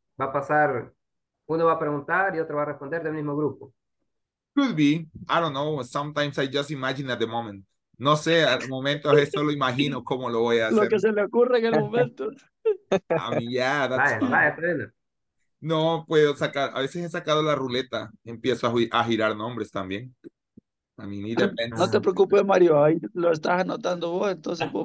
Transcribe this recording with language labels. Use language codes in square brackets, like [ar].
[es] Va a pasar, uno va a preguntar y otro va a responder del mismo grupo. [en] Could be, I don't know, sometimes I just imagine at the moment. [es] No sé, al momento solo imagino cómo lo voy a hacer. Lo que se le ocurre en el momento. [en] I mean, yeah, that's [es] vaya, vaya, bueno. No puedo sacar, a veces he sacado la ruleta, empiezo a girar nombres también. A mí ni depende. No te preocupes, Mario, ahí lo estás anotando vos, entonces vos